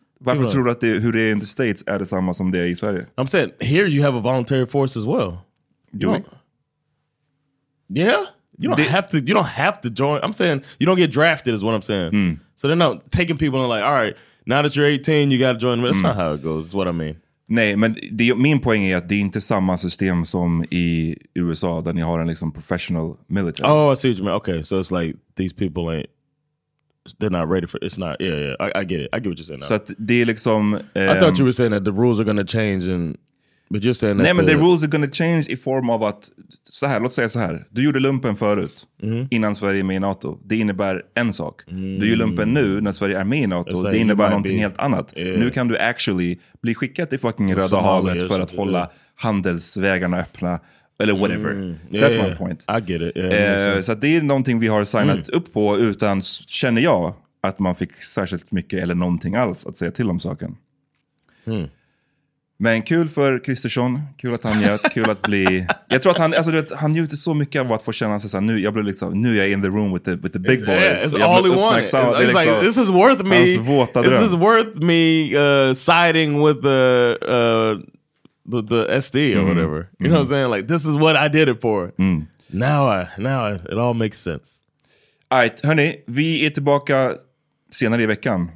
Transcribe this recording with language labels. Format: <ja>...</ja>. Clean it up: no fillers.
<sv>Varför tror du att hur det är</sv> <en>in the States</en> <sv>är det samma som det är i Sverige?</sv> <en>I'm saying, here you have a voluntary force as well. You don't have to join. I'm saying, you don't get drafted is what I'm saying. Mm. So they're not taking people and like, all right, now that you're 18, you got to join. That's not how it goes, is what I mean.</en> <sv>Nej, men min poäng är att det är inte samma system som i USA där ni har en liksom</sv> <en>professional military. Oh, I see what you mean. Okay, so it's like these people ain't. They're not ready for it. It's not. Yeah, yeah. I get it. I get what you're saying.</en> <sv>Så att det är liksom,</sv> <en>I thought you were saying that the rules are going to change, and but you're saying that.</en> <sv>Nej, men</sv> <en>the rules are going to change</en> <sv>i form av att så här. Låt säga så här. Du gjorde lumpen förut innan Sverige är med i NATO. Det innebär en sak. Mm. Du gör lumpen nu när Sverige är med i NATO. Like, det innebär någonting helt annat.</sv> <en>Yeah.</en> <sv>Nu kan du actually bli skickad till fucking Röda Somalia, havet för att hålla handelsvägarna öppna. Eller</sv> <en>whatever. That's my point. I get it. Yeah,</en> <sv>så att det är någonting vi har signat upp på utan, känner jag, att man fick särskilt mycket eller någonting alls att säga till om saken. Mm. Men kul för Kristersson. Kul att han njöt. Kul att bli... Jag tror att han, alltså, du vet, han njuter så mycket av att få känna sig såhär, nu är jag</sv> <en>in the room with the big it's, boys. It's all he wanted. It's like, liksom, this is worth me.</en> <sv>Hans våta dröm.</sv> <en>This is worth me siding with the SD or whatever. You know what I'm saying? Like, this is what I did it for. Now it all makes sense.</en> <sv>All right, hörni, vi är tillbaka senare i veckan.</sv>